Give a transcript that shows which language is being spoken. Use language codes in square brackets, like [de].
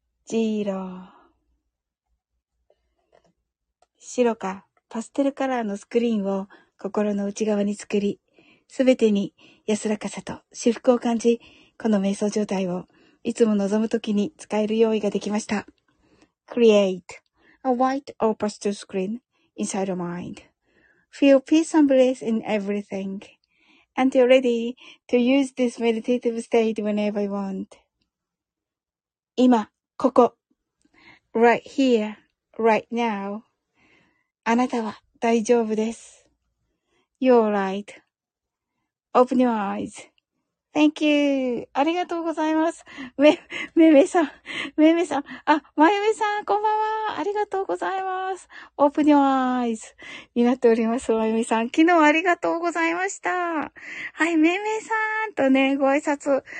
[ja] 11 0 白かパステルカラーのスクリーンを心の内側に作り、すべてに安らかさと至福を感じ、この瞑想状態をいつも望むときに使える用意ができました。 [en] Create a white or pastel screen inside your mind. Feel peace and bliss in everything. And you're ready to use this meditative state whenever you want. [ja] 今、ここ。 [en] Right here, right now. [ja] あなたは大丈夫です。 [en] You're right. Open your eyes. Thank you. [ja] ありがとうございます。めめさん。めめさん。あ、まゆめさん、こんばんは。ありがとうございます。 [en] Open your eyes [ja] になっております。まゆめさん。昨日ありがとうございました。はい、めめさんとね、ご挨拶。